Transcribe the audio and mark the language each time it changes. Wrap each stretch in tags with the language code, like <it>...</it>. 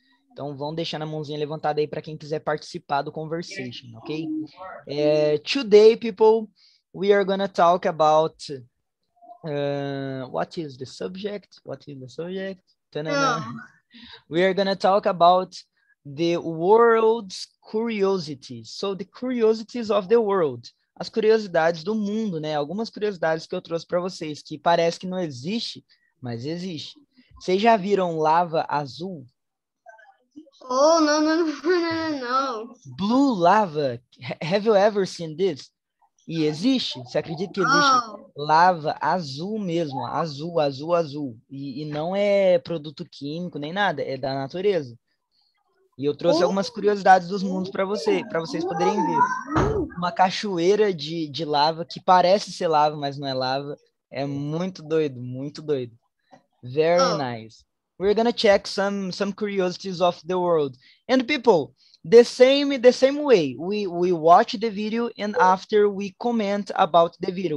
<pt>Então, vão deixando a mãozinha levantada aí para quem quiser participar do conversation, ok?</pt> <en>Today, people, we are gonna talk about what is the subject? What is the subject? Tanana. We are gonna talk about the world's curiosities. So, the curiosities of the world.</en> <pt>As curiosidades do mundo, né? Algumas curiosidades que eu trouxe para vocês, que parece que não existe, mas existe. Vocês já viram lava azul? Oh, não, não, não, não, não.</pt> <en>Blue lava. Have you ever seen this?</en> <pt>E existe? Você acredita que existe Oh. lava azul mesmo? Azul, azul, azul. E não é produto químico nem nada, é da natureza. E eu trouxe Oh. algumas curiosidades dos mundos para vocês poderem ver. Uma cachoeira de lava que parece ser lava, mas não é lava. É muito doido, muito doido.</pt> <en>Very Oh. nice. We're gonna check some curiosities of the world. And people, the same way, we watch the video and after we comment about the video.</en>